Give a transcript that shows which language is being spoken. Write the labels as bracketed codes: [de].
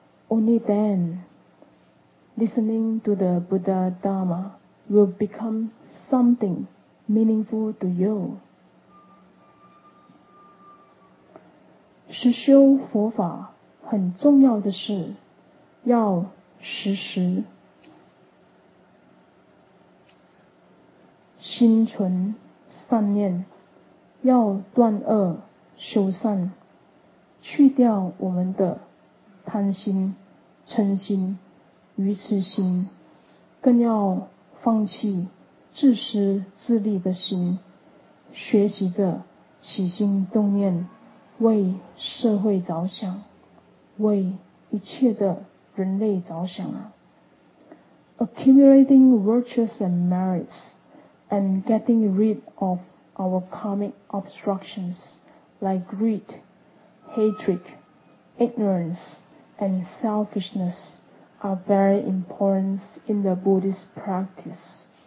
[en] Only then, listening to the Buddha Dharma will become something meaningful to you. [zh] 实修佛法很重要的是要时时心存善念，要断恶修善，去掉我们的贪心、嗔心、愚痴心，更要放弃自私自利的心，学习着起心动念为社会着想，为一切的人类着想啊。 [en] Accumulating virtues and merits and getting rid of our karmic obstructions like greed, hatred, ignorance and selfishness are very important in the Buddhist practice.